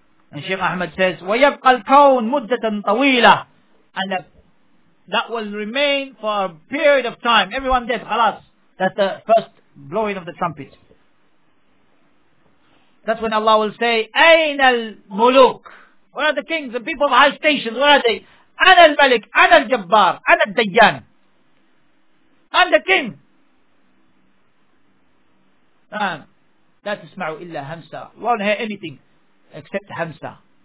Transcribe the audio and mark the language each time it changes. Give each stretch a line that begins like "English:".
English: And Sheikh Ahmed says,
Arabic: وَيَبْقَى الْكَوْنُ مُدَّةً طَوِيلَةً
English: And that will remain for a period of time. Everyone dead, خلاص. That's the first blowing of the trumpet. That's when Allah will say,
Arabic: أَيْنَ الْمُلُوكِ
English: Where are the kings and people of high stations? Where are they?
Arabic: أَنَا الْمَلِكِ أَنَا الْجَبَّارِ أَنَا الدَّيَّانِ
English: I'm the king.
Arabic: لا تسمعوا إلا همسا.
English: You won't hear anything except همسا.